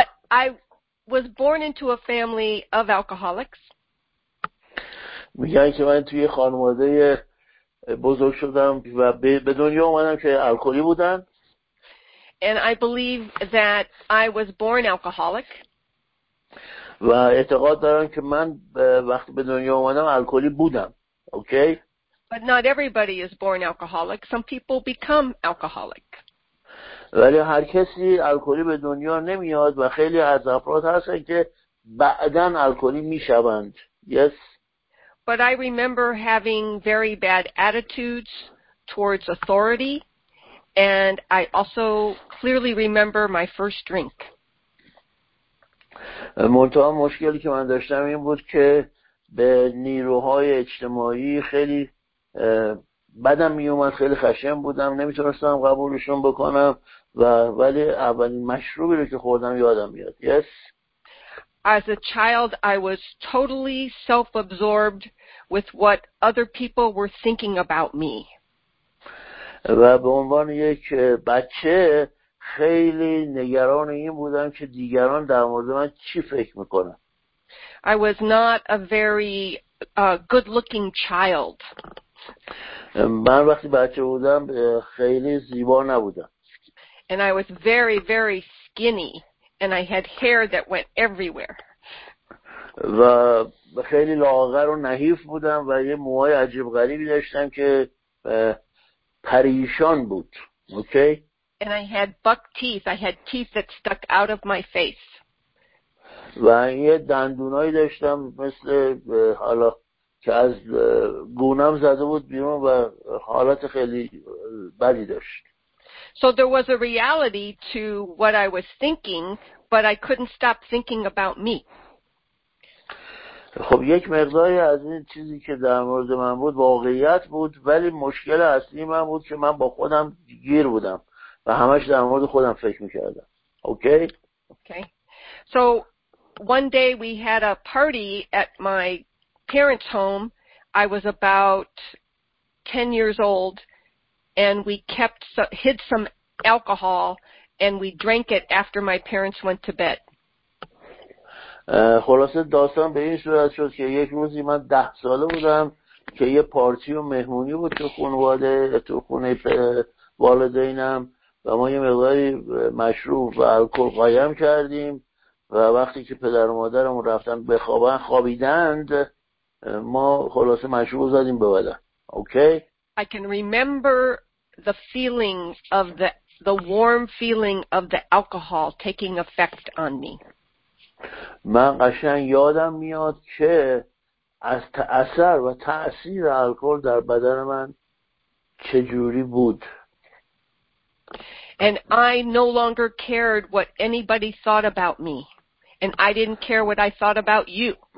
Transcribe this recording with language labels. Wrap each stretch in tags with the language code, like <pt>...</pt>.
<en>I was born into a family of alcoholics.</en> <fa>میگن که من توی خانواده بزرگ شدم و به دنیا اومدم که الکلی بودن.</fa> <en>And I believe that I was born alcoholic.</en> <fa>و اعتقاد دارم که من وقتی به دنیا اومدم الکلی بودم.</fa> <en>Okay? But not everybody is born alcoholic. Some people become alcoholic.</en> <fa>ولی هر کسی الکلی به دنیا نمیاد و خیلی از افراد هستن که بعداً الکلی میشوند.</fa> <en>Yes. But I remember having very bad attitudes towards authority, and I also clearly remember my first drink.</en> <fa>منتها مشکلی که من داشتم این بود که به نیروهای اجتماعی خیلی بدم می اومد، خیلی خشن بودم، نمیتونستم قبولشون بکنم و ولی اولین مشروبی رو که خوردم یادم میاد.</fa> <en>Yes. As a child, I was totally self-absorbed with what other people were thinking about me.</en> <fa>و به عنوان یک بچه خیلی نگران این بودم که دیگران در مورد من چی فکر میکنن.</fa> <en>I was not a very good-looking child.</en> <fa>من وقتی بچه بودم خیلی زیبا نبودم.</fa> <en>And I was very, very skinny. And I had hair that went everywhere.</en> <fa>و خیلی لاغر و نحیف بودم و یه موهای عجیب غریبی داشتم که پریشان بود.</fa> <en>Okay? And I had buck teeth. I had teeth that stuck out of my face.</en> <fa>و یه دندونایی داشتم مثل حالا که از گونم زده بود بیرون و حالت خیلی بدی داشت.</fa> <en>So there was a reality to what I was thinking, but I couldn't stop thinking about me.</en> <fa>خب یک مقداری از این چیزی که در مورد من بود واقعیت بود، ولی مشکل اصلی من بود که من با خودم گیر بودم و همش در مورد خودم فکر میکردم.</fa> <en>Okay? Okay. So one day we had a party at my parents' home. I was about 10 years old and we hid some alcohol and we drank it after my parents went to bed.</en> <fa>خلاصه داستان به این صورت شد که یک روزی من 10 ساله بودم که یه پارتی و مهمونی بود تو خانواده، تو خونه والدینم، و ما یه مقداری مشروب و الکل قایم کردیم و وقتی که پدر و مادرمون رفتن بخوابن خوابیدند، ما خلاصه مشروب زدیم به بدن.</fa> <en>Okay? I can remember the feeling of the warm feeling of the alcohol taking effect on me.</en> <fa>من قشنگ یادم میاد که از تأثیر و تأثیر الکل در بدن من چجوری بود.</fa> <en>And I no longer cared what anybody thought about me. And I didn't care what I thought about you.</en>